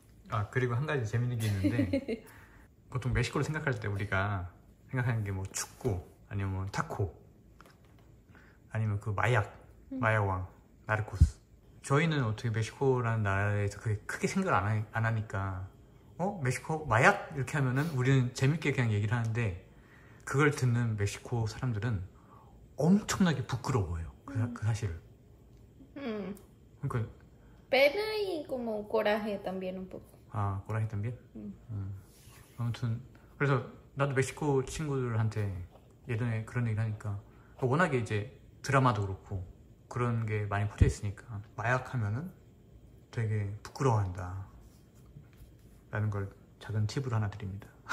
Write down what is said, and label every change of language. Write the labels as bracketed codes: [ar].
[ko] Ah, 그리고 한 가지 재밌는 게 있는데 보통 멕시코를 생각할 때 우리가 생각하는 게 뭐 축구 아니면 뭐 타코 아니면 그 마약왕 나르코스. 저희는 어떻게 멕시코라는 나라에서 그게 크게 생각을 안 하니까. 어? 멕시코? 마약? 이렇게 하면은 우리는 재밌게 그냥 얘기를 하는데 그걸 듣는 멕시코 사람들은 엄청나게 부끄러워요. 그 사실을. 그러니까 [es] pena y como coraje también un poco. 아, coraje también? [ko] 아무튼 그래서 나도 멕시코 친구들한테 예전에 그런 얘기를 하니까 워낙에 이제 드라마도 그렇고 그런 게 많이 퍼져 있으니까 마약 하면은 되게 부끄러워한다. 라는 걸 작은 팁을 하나 드립니다.